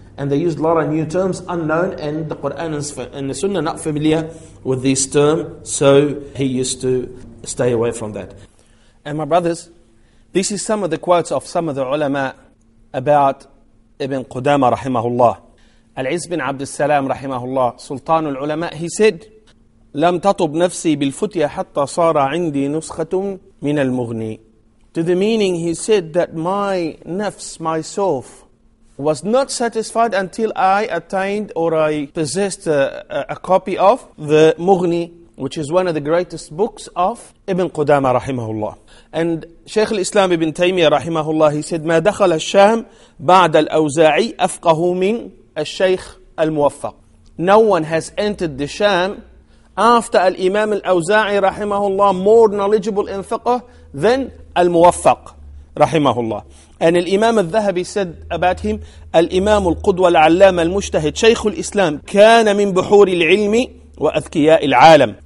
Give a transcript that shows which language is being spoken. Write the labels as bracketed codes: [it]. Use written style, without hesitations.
[en] And they used a lot of new terms unknown, and the Quran and the Sunnah not familiar with these terms. So he used to stay away from that. And my brothers, this is some of the quotes of some of the ulama about Ibn Qudama rahimahullah. Al-Izz bin Abdus Salam rahimahullah, Sultan al-Ulama, he said, [ar] لم تطب نفسي بالفتية حتى صار عندي نسخة من المغني. [en] To the meaning, he said that my nafs, myself, was not satisfied until I attained or I possessed a copy of the Mughni, which is one of the greatest books of Ibn Qudama rahimahullah. And Shaykh al-Islam Ibn Taymiyyah rahimahullah, he said, [ar] ما دخل الشام بعد الأوزاعي أفقه من الشيخ الموفق. [en] No one has entered the Sham after al-Imam al-Awza'i rahimahullah more knowledgeable in fiqh than al-Muwaffaq rahimahullah. And al-Imam al-Dhahabi said about him, al-Imam al-Qudwa al-Allama al-Mujtahid, Shaykh al-Islam, [ar] kana min buhur al-ilmi wa athkiya al-alam.